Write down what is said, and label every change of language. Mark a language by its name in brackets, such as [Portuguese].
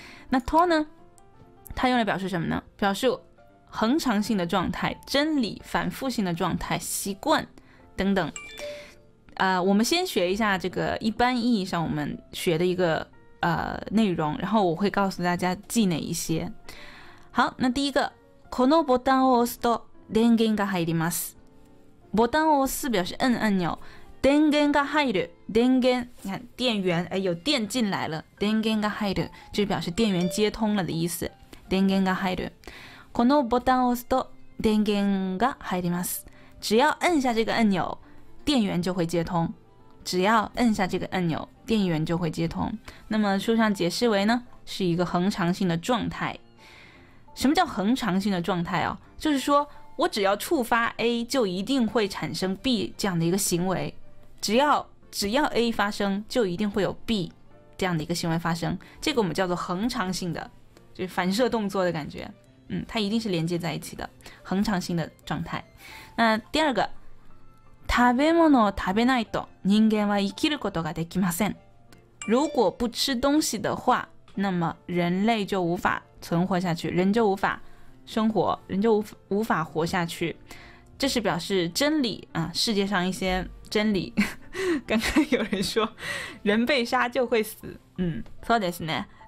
[Chinese] 那 to 呢，它用来表示什么呢？表示恒常性的状态、真理、反复性的状态、习惯等等。我们先学一下这个一般意义上我们学的一个内容，然后我会告诉大家记哪一些。好，那第一个， [Japanese] このボタンを押すと電源が入ります。ボタンを押す [Chinese] 表示按钮。 [Japanese] 电源が入る， [Chinese] 电源，你看电源，有电进来了。 [Japanese] 电源が入る， [Chinese] 就表示电源接通了的意思。 [Japanese] 电源が入る。このボタンを押すと電源が入ります。 [Chinese] 只要按下这个按钮，电源就会接通。只要按下这个按钮，电源就会接通。那么书上解释为呢，是一个恒常性的状态。什么叫恒常性的状态啊？就是说我只要触发 A， 就一定会产生 B 这样的一个行为。只要 A 发生就一定会有 B 这样的一个行为发生，这个我们叫做恒常性的，就是反射动作的感觉。它一定是连接在一起的，恒常性的状态。那第二个， [Japanese] 食べ物を食べないと人間は生きることができません。 [Chinese] 如果不吃东西的话，那么人类就无法存活下去，人就无法生活，人就无法活下去。这是表示真理啊，世界上一些真理。刚刚有人说人被杀就会死。 [Japanese] そうですね。